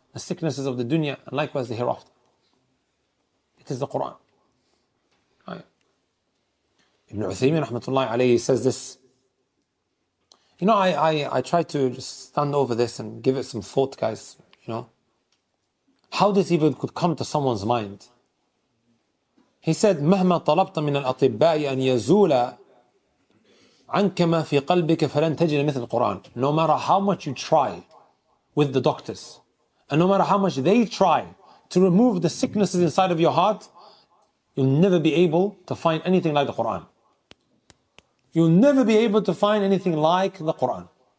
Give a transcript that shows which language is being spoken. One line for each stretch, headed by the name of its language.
English: The sicknesses of the dunya and likewise the hereafter. It is the Quran. Right. Ibn Uthaymeen rahmatullahi alayhi says this. You know, I try to just stand over this and give it some thought, guys. You know, how this even could come to someone's mind.
Arabic: He said, مَهْمَا طَلَبْتَ مِنَ الْأَطِبَّاءِ أَنْ يَزُولَ عَنْكَ مَا فِي قَلْبِكَ فَلَنْ تَجِدَ مِثْلَ الْقُرْآنِ.
English: No matter how much you try with the doctors, and no matter how much they try to remove the sicknesses inside of your heart, you'll never be able to find anything like the Qur'an. You'll never be able to find anything like the Qur'an.